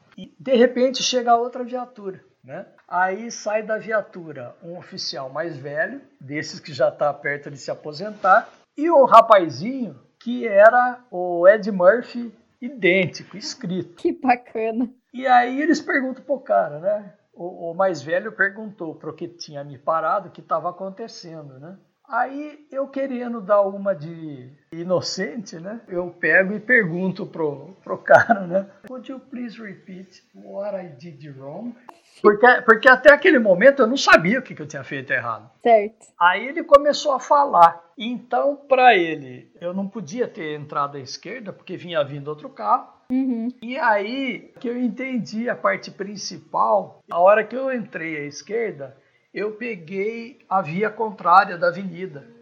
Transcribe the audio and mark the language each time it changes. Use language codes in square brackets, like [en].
[pt] E, de repente, chega outra viatura, né? Aí sai da viatura um oficial mais velho, desses que já está perto de se aposentar, e um rapazinho que era o Ed Murphy, idêntico, escrito. Que bacana. E aí eles perguntam pro cara, né? O mais velho perguntou pro que tinha me parado, o que estava acontecendo, né? Aí eu querendo dar uma de inocente, né? Eu pego e pergunto pro cara, né? [en] Would you please repeat what I did wrong? [pt] Porque até aquele momento eu não sabia o que eu tinha feito errado. Certo. Aí ele começou a falar. Então, para ele, eu não podia ter entrado à esquerda, porque vinha vindo outro carro. Uhum. E aí que eu entendi a parte principal, a hora que eu entrei à esquerda, eu peguei a via contrária da avenida.